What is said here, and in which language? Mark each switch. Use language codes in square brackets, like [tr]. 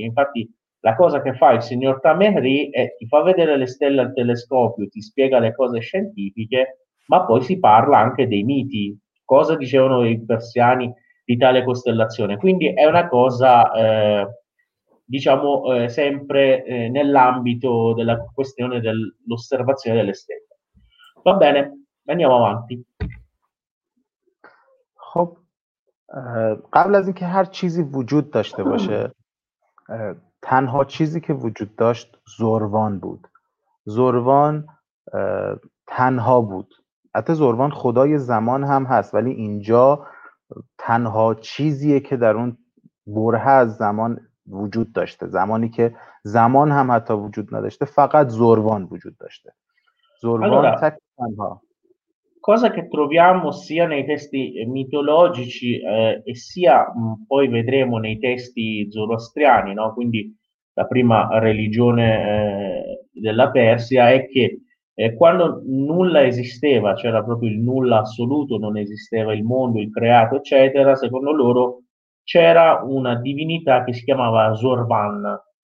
[it] Infatti la cosa che fa il signor Tamehri è ti fa vedere le stelle al telescopio, ti spiega le cose scientifiche, ma poi si parla anche dei miti, cosa dicevano i persiani di tale costellazione. Quindi è una cosa, diciamo, sempre nell'ambito della questione dell'osservazione delle stelle. Va bene, andiamo avanti. [fa] خب قبل از اینکه هر چیزی وجود داشته باشه، تنها چیزی که وجود داشت زوروان بود. زوروان تنها بود، حتی زوروان خدای زمان هم هست، ولی اینجا تنها چیزیه که در اون بره از زمان وجود داشته، زمانی که زمان هم حتی وجود نداشته، فقط زوروان وجود داشته. زوروان تک تنها. [it] Cosa che troviamo sia nei testi mitologici e sia poi vedremo nei testi zoroastriani, no? Quindi la prima religione della Persia, è che quando nulla esisteva, c'era proprio il nulla assoluto, non esisteva il mondo, il creato, eccetera, secondo loro c'era una divinità che si chiamava Zorvan.